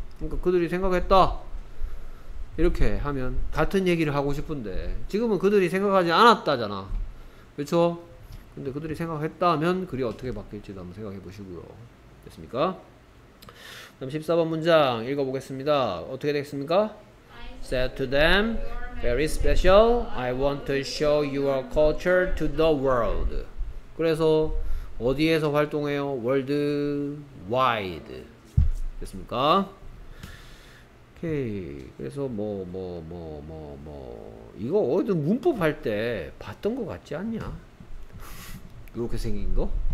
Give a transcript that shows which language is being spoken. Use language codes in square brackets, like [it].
[ko] 그러니까 그들이 생각했다 이렇게 하면 같은 얘기를 하고 싶은데 지금은 그들이 생각하지 않았다잖아. 그렇죠? 근데 그들이 생각했다면 글이 어떻게 바뀔지도 한번 생각해 보시고요. 됐습니까? 다음 14번 문장 읽어보겠습니다. 어떻게 되겠습니까? [en] I said to them, very special. I want to show your culture to the world. [ko] 그래서 어디에서 활동해요? [en] World wide. [ko] 됐습니까? 오케이. 그래서 뭐 이거 어디든 문법 할 때 봤던 거 같지 않냐? 이렇게 생긴 거?